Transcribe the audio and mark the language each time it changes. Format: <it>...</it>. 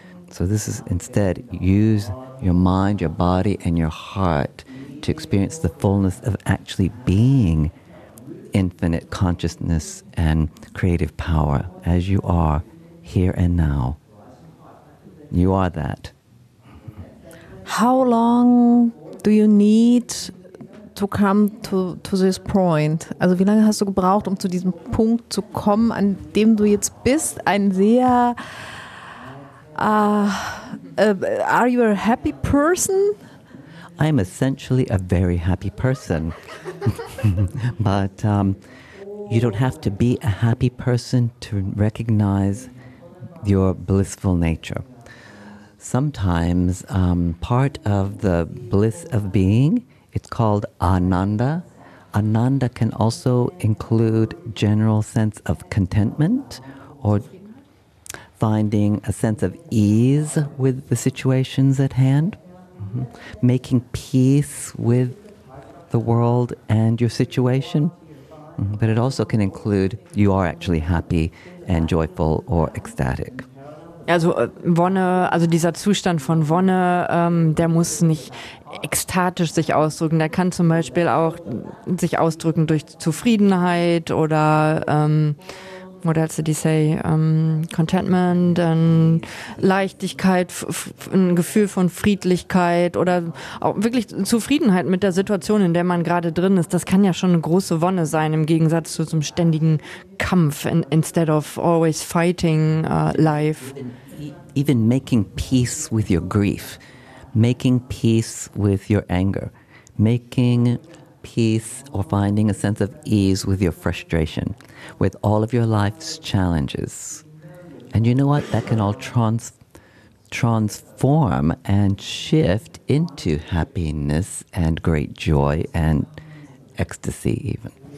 <en>So this is instead, use your mind, your body, and your heart to experience the fullness of actually being infinite consciousness and creative power as you are here and now. You are that. How long do you need to come to this point?</en> <de>Also wie lange hast du gebraucht, um zu diesem Punkt zu kommen, an dem du jetzt bist? Ein sehr</de> <en>are you a happy person? I am essentially a very happy person. But you don't have to be a happy person to recognize your blissful nature. Sometimes part of the bliss of being, it's called ananda. Ananda can also include general sense of contentment or finding a sense of ease with the situations at hand, making peace with the world and your situation. But it also can include you are actually happy and joyful or ecstatic.</en> <de>Also Wonne, also dieser Zustand von Wonne, der muss nicht ekstatisch sich ausdrücken. Der kann zum Beispiel auch sich ausdrücken durch Zufriedenheit oder</de> <en>what else did he say? Contentment and</en> <de>Leichtigkeit, ein Gefühl von Friedlichkeit oder auch wirklich Zufriedenheit mit der Situation, in der man gerade drin ist. Das kann ja schon eine große Wonne sein, im Gegensatz zu so einem ständigen Kampf,</de> <en>instead of always fighting life. Even making peace with your grief, making peace with your anger, making peace or finding a sense of ease with your frustration, with all of your life's challenges. And you know what? That can all transform and shift into happiness and great joy and ecstasy even.</en>